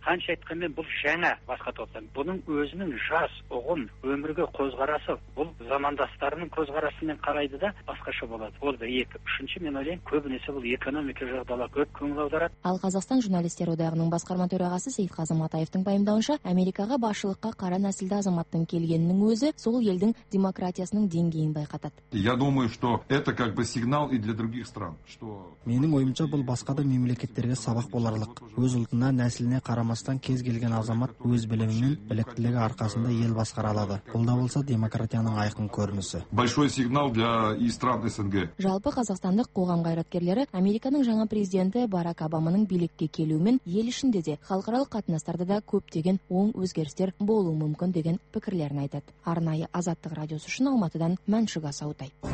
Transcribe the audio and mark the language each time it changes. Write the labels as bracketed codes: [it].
[kk] Қанша айтқанмен бұл жаңа басқа топтан. Бұның өзінің жас, ұғым, өмірге көзқарасы бұл замандастарының көзқарасымен қарайды да басқаша болады. Ол да екі. Үшінші мен ойлаймын, көбінесе бұл экономика жағдайына көп көңіл аударады. Ал Қазақстан журналистер одағының басқарма төрағасы Сейітқазы Матаевтың пайымдауынша, Америкаға басшылыққа қара нәсілді азаматтың келгенінің өзі сол елдің демократиясының деңгейін байқатады. [ru] Я думаю, что это как бы сигнал и для других стран, что [kk] Менің ойымша бұл басқа да мемлекеттерге сабақ боларлық. Өз ұлтына, нәсіліне қарамастан кез келген азамат өз білімі мен біліктілігі арқасында ел басқара алады. Бұл да болса демократияның айқын көрінісі. [ru] Большой сигнал для и стран СНГ. [kk] Жалпы қазақстандық қоғам қайраткерлері Американың жаңа президенті Барак Обаманың билікке келуімен ел ішінде де, халықаралық қатынастарда да көптеген оң өзгерістер болуы мүмкін деген пікірлерін айтады. Арнайы Азаттық радиосы үшін Алматыдан Мен Шугасаутай.